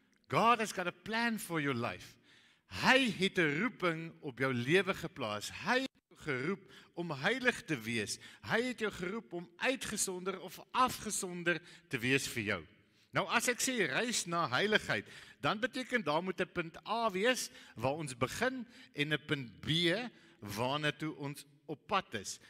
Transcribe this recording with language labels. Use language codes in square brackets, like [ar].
[en] God has got a plan for your life. [af] Hy het een roeping op jou leven geplaas. Hy het jou geroep om heilig te wees. Hy het jou geroep om uitgesonder of afgesonder te wees vir jou. Nou, as ek sê reis na heiligheid, dan beteken daar moet een punt A wees, waar ons begin, en een punt B, waarna toe ons op pad is.